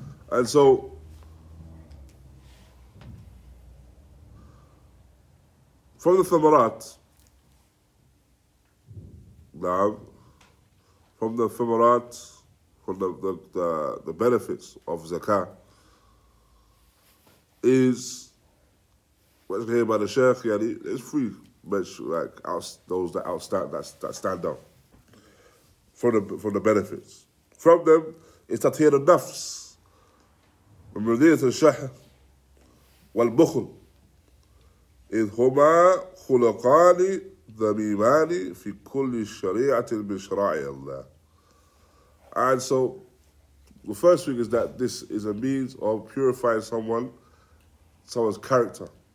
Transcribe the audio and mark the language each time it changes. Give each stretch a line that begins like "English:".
English: And so, from the thamarat, now, from the thamarat, from the benefits of zakah, is what's here by the sheikh. Yani, there's three those that outstand, that stand out from the benefits. From them is tathir an-nafs.
Arabic: ومرضية الشح والبخل إذ هما خلقان ذميمان في كل شريعة من شرائع الله.
English: And so the first thing is that this is a means of purifying someone's character.